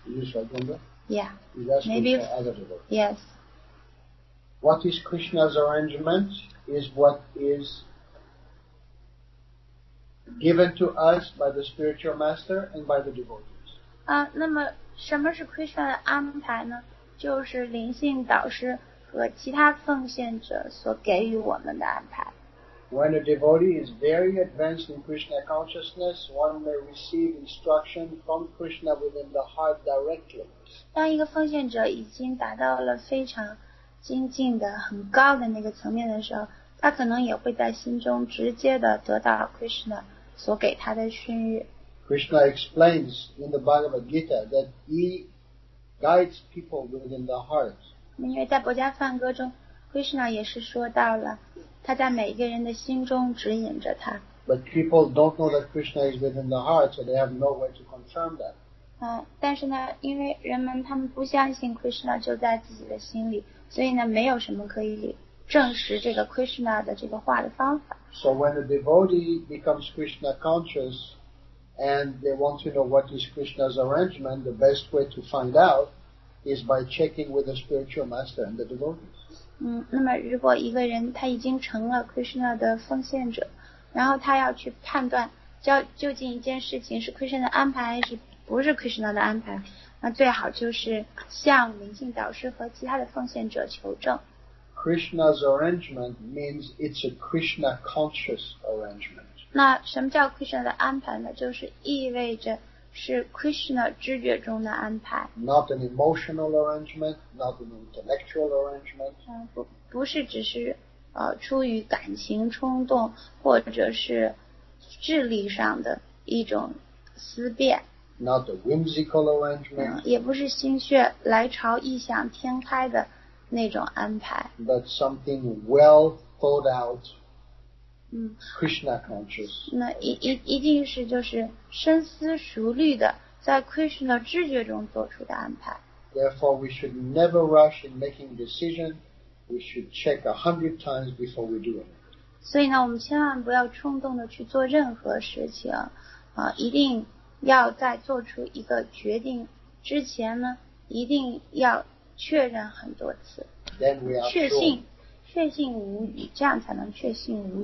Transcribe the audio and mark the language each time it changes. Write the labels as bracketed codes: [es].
[en] Is this right, Linda? Yeah. Maybe. Yes. What is Krishna's arrangement is what is given to us by the spiritual master and by the devotees. [zh] 那么什么是 Krishna 的安排呢？就是灵性导师和其他奉献者所给予我们的安排。 [en] When a devotee is very advanced in Krishna consciousness, one may receive instruction from Krishna within the heart directly. [zh] 当一个奉献者已经达到了非常精进的很高的那个层面的时候，他可能也会在心中直接的得到 Krishna 所给他的训谕。 [en] Krishna explains in the Bhagavad Gita that he guides people within the heart. [zh] 因为在博迦梵歌中 ，Krishna 也是说到了，他在每一个人的心中指引着他。 [en] But people don't know that Krishna is within the heart, so they have no way to confirm that. [zh] 但是呢，因为人们他们不相信 Krishna 就在自己的心里。所以呢，没有什么可以证实这个 Krishna 的这个话的方法。 [en] So when a devotee becomes Krishna conscious and they want to know what is Krishna's arrangement, the best way to find out is by checking with the spiritual master and the devotees. [zh] 那么如果一个人他已经成了 Krishna 的奉献者，然后他要去判断究竟一件事情是 Krishna 的安排还是不是 Krishna 的安排。那最好就是向灵性导师和其他的奉献者求证。 [en] Krishna's arrangement means it's a Krishna conscious arrangement. [zh] 那什么叫 Krishna 的安排呢？就是意味着是 Krishna 知觉中的安排。 [en] Not an emotional arrangement, not an intellectual arrangement. [zh] 不是只是出于感情冲动或者是智力上的一种思辨。 [en] Not a whimsical arrangement. [zh] 也不是心血来潮、异想天开的那种安排。 [en] But something well thought out. Krishna conscious. [zh] 那一定是就是深思熟虑的，在 Krishna 知觉中做出的安排。 [en] Therefore, we should never rush in making decision. We should check 100 times before we do it. [zh] 所以呢，我们千万不要冲动的去做任何事情，一定。要在做出一个决定之前呢，一定要确认很多次，确信无疑，这样才能确信无疑。